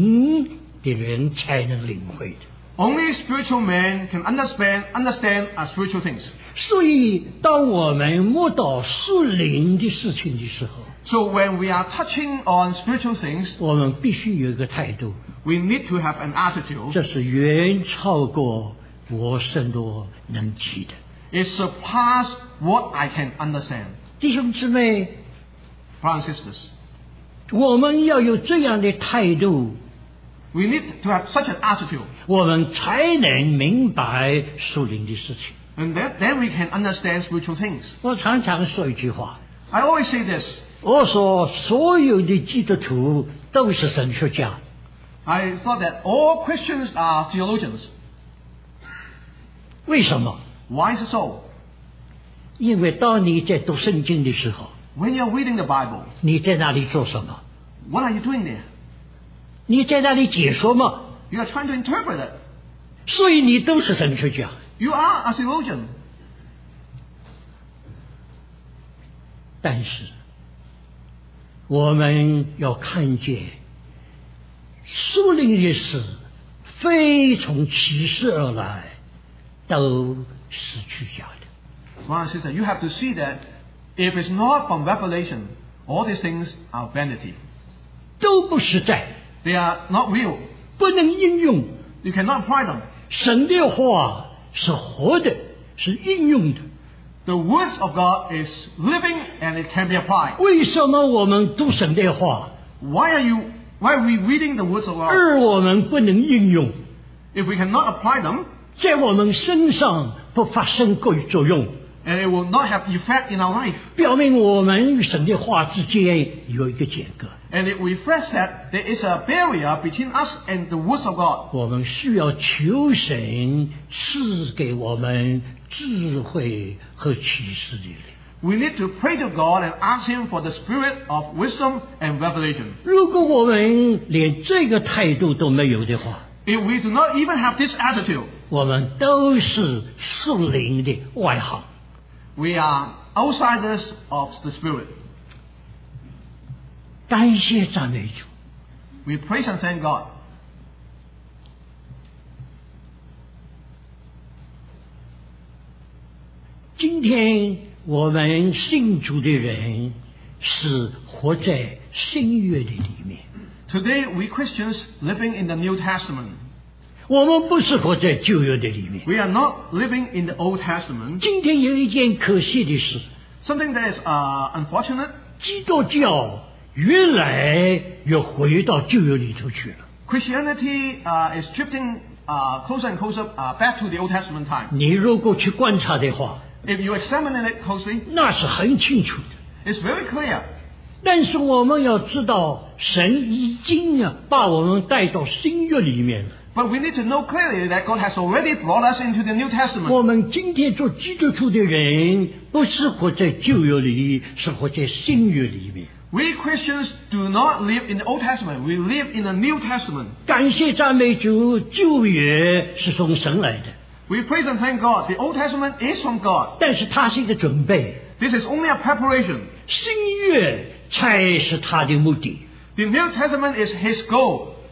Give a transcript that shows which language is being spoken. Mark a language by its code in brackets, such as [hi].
[zh] 属灵的事只有属灵的人才能领会的。 [en] Only spiritual men can understand our spiritual things. [zh] 所以当我们摸到属灵的事情的时候, [en] So when we are touching on spiritual things, [zh] 我们必须有一个态度, [en] We need to have an attitude. [zh] 这是远超过我甚多能及的。 [en] It surpasses what I can understand. [zh] 弟兄姊妹, [en] Brothers and sisters, [zh] 我们要有这样的态度, [en] We need to have such an attitude. [zh] 我们才能明白属灵的事情。 [en] And then we can understand spiritual things. [zh] 我常常说一句话, [en] I always say this. [zh] 我说所有的基督徒都是神学家。 [en] I thought that all Christians are theologians. [zh] 为什么? [en] Why is it so? [zh] 因为当你在读圣经的时候, [en] When you're reading the Bible, [zh] 你在那里做什么? [en] What are you doing there? [zh] 你在那里解说吗? [en] You are trying to interpret it. [zh] 所以你都是神学家。 [en] You are a theologian. [zh] 但是, 我们要看见, 属灵的事非从启示而来, 都是虚假的。 [en] Brother and sister, you have to see that if it's not from revelation, all these things are vanity. [zh] 都不实在。 [en] They are not real. [zh] 不能应用, [en] you cannot apply them. [zh] 神的话是活的, 是应用的。 [en] The words of God is living and it can be applied. [zh] 为什么我们读神的话? [en] Why are we reading the words of God? [zh] 而我们不能应用, [en] if we cannot apply them, [zh] 在我们身上不发生过作用, [en] and it will not have effect in our life. [zh] 表明我们与神的话之间有一个间隔。 [en] And it reflects that there is a barrier between us and the words of God. [zh] 我们需要求神赐给我们智慧和启示的灵。 [en] We need to pray to God and ask Him for the spirit of wisdom and revelation. [zh] 如果我们连这个态度都没有的话, [en] If we do not even have this attitude, [zh] 我们都是属灵的外行。 [en] We are outsiders of the spirit. [zh] 感谢赞美主。 [en] We praise and thank God. [zh] 今天我们信主的人是活在新约的里面。 [en] Today we Christians living in the New Testament. [zh] 我们不是活在旧约的里面。 [en] We are not living in the Old Testament. [zh] 今天有一件可惜的事。 [en] Something that is unfortunate. [zh] 基督教 越来越回到旧约里头去了。 [en] Christianity is drifting closer and closer back to the Old Testament time. [zh] 你如果去观察的话, [en] If you examine it closely, [zh] 那是很清楚的。 [en] It's very clear. [zh] 但是我们要知道神已经把我们带到新约里面了。 [en] But we need to know clearly that God has already brought us into the New Testament. [zh] 我们今天做基督徒的人不是活在旧约里, 是活在新约里面。 [en] We Christians do not live in the Old Testament. We live in the New Testament. [zh] 感谢赞美主, 旧约是从神来的。 [en] We praise and thank God. The Old Testament is from God. [zh] 但是它是一个准备。 [en] This is only a preparation. [zh] 新约才是他的目的。 [en] The New Testament is His goal.